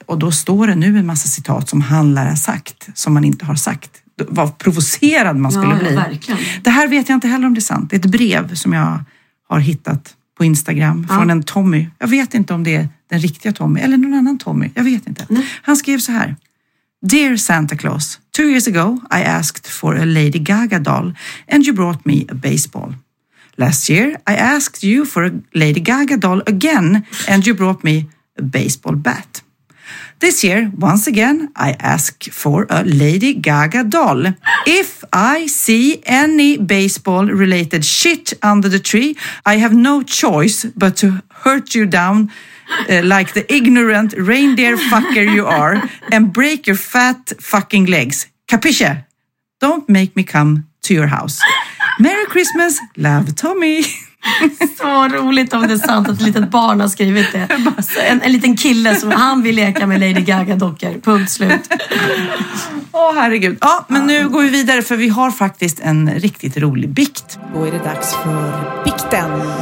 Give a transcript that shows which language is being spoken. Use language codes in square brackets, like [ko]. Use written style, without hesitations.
[sv] Och då står det nu en massa citat som han lär ha sagt, som man inte har sagt. Vad provocerad man skulle bli. Verkligen. Det här vet jag inte heller om det är sant. Det är ett brev som jag har hittat på Instagram från en Tommy. Jag vet inte om det är den riktiga Tommy eller någon annan Tommy. Jag vet inte. Nej. Han skrev så här. [en] Dear Santa Claus, 2 years ago I asked for a Lady Gaga doll and you brought me a baseball. Last year I asked you for a Lady Gaga doll again and you brought me a baseball bat. This year, once again, I ask for a Lady Gaga doll. If I see any baseball-related shit under the tree, I have no choice but to hurt you down like the ignorant reindeer fucker you are and break your fat fucking legs. Capisce? Don't make me come to your house. Merry Christmas, love Tommy. [sv] Så roligt om det är sant att ett litet barn har skrivit det. En liten kille som han vill leka med Lady Gaga-dockor. Punkt slut. Åh, herregud. Ja, men nu går vi vidare för vi har faktiskt en riktigt rolig bikt. Då är det dags för bikten.